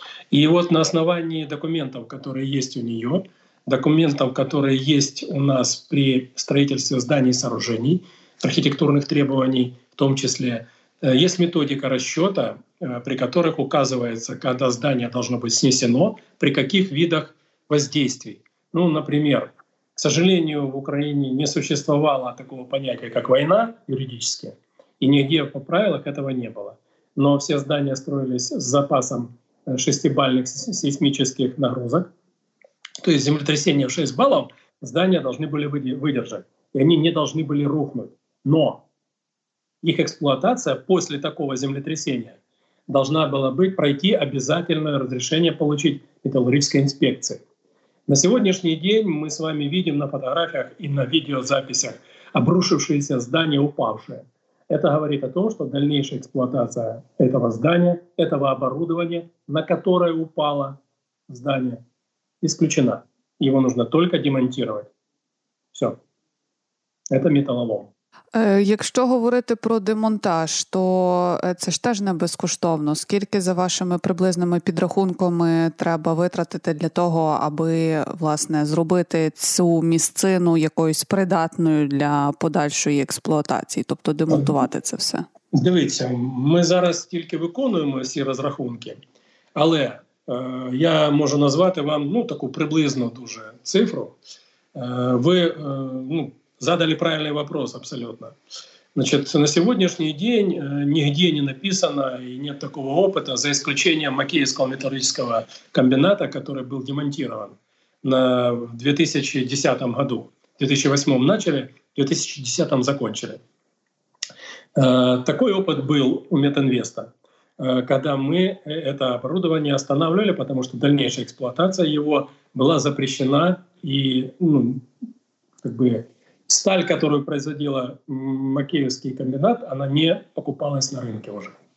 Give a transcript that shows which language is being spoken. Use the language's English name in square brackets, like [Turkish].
[Ukrainian] І от на основі документів, які є у неї, документів, які є у нас при будівництві зданий і сооружений, архітектурних требувань, в тому числі, є методика розрахунку, при яких указується, коли здання має бути знесено, при яких видах воздействий. [Russian] Ну, наприклад, к сожалению, в Украине не существовало такого понятия, как война юридически, и нигде по правилам этого не было. Но все здания строились с запасом 6-бальных сейсмических нагрузок, то есть землетрясение в 6 баллов здания должны были выдержать, и они не должны были рухнуть. Но их эксплуатация после такого землетрясения должна была быть пройти обязательное разрешение получить металлургической инспекции. На сегодняшний день мы с вами видим на фотографиях и на видеозаписях обрушившиеся здания, упавшие. Это говорит о том, что дальнейшая эксплуатация этого здания, этого оборудования, на которое упало здание, исключена. Его нужно только демонтировать. Все. Это металлолом. [Ukrainian] Якщо говорити про демонтаж, то це ж теж не безкоштовно. Скільки, за вашими приблизними підрахунками, треба витратити для того, аби, власне, зробити цю місцину якоюсь придатною для подальшої експлуатації, тобто демонтувати це все? Дивіться, ми зараз тільки виконуємо всі розрахунки, але я можу назвати вам таку приблизну дуже цифру. Ви задали [Russian] правильный вопрос абсолютно. Значит, на сегодняшний день нигде не написано и нет такого опыта, за исключением Макеевского металлургического комбината, который был демонтирован на 2010 году. В 2008 начали, в 2010 закончили. Такой опыт был у Метинвеста, когда мы это оборудование останавливали, потому что дальнейшая эксплуатация его была запрещена, и сталь, которую производила Макеевский комбинат, она не покупалась на рынке уже.